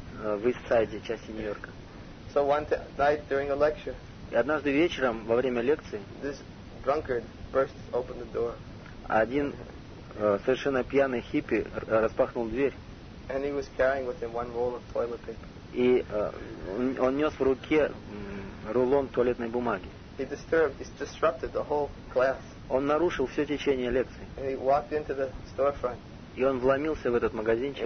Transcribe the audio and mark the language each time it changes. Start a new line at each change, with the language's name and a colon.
Russian: В Ист-Сайде, части Нью-Йорка.
English: So one night during a lecture.
Russian: И однажды вечером во время лекции.
English: This drunkard burst open the door.
Russian: Один совершенно пьяный хиппи распахнул дверь.
English: And he was carrying with him one roll of toilet paper.
Russian: И он нес в руке рулон туалетной бумаги.
English: He disrupted the whole class.
Russian: Он нарушил все течение лекции.
English: And he walked into the storefront.
Russian: И он вломился в этот магазинчик.